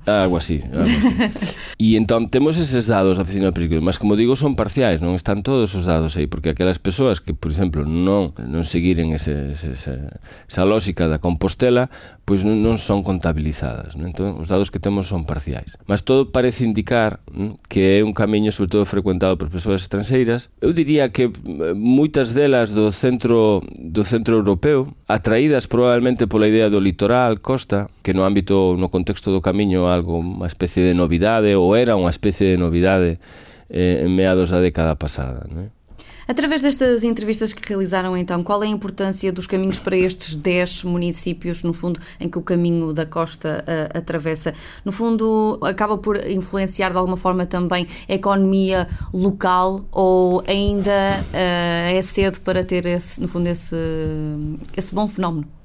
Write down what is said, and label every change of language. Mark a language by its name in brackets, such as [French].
[Galician] Algo así. E então temos esses dados da Oficina do Peregrino, mas como digo, son parciais, non están todos os dados aí, porque aquelas persoas que, por exemplo, non seguiren esa lógica da Compostela, pois non son contabilizadas, né? Entón, os dados que temos son parciais. Mas todo parece indicar que é un camiño sobre todo frecuentado por persoas estranxeiras. Eu diría que moitas delas do centro europeo, atraídas probablemente pola idea do litoral, costa, que no ámbito, no contexto do camiño, algo, unha especie de novidade, ou era unha especie de novidade en meados da década pasada, né? [Portuguese] Através destas entrevistas que realizaram, então, qual é a importância dos caminhos para estes 10 municípios, no fundo, em que o Caminho da Costa atravessa? No fundo, acaba por influenciar, de alguma forma, também a economia local, ou ainda é cedo para ter, esse, no fundo, esse bom fenómeno?